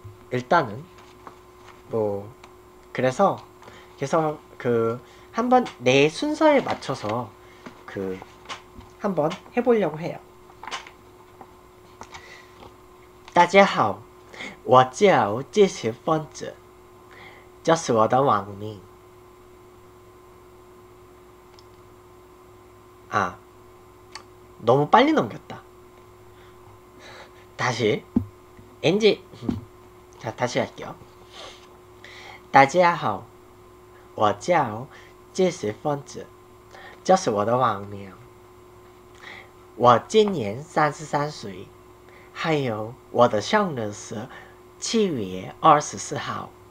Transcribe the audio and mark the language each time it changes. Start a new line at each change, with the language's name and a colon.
Korean: 일단은 뭐 그래서 그 한번 내 순서에 맞춰서 그 한번 해보려고 해요.
Chinese: 大家好, 我叫知识分子, 这是我的网名。
Korean: 아, 너무 빨리 넘겼다. 다시, 엔지, 자, 다시 할게요.
Chinese: 大家好, 我叫知识分子, 这是我的网名。我今年33岁，还有我的生日是7月24号。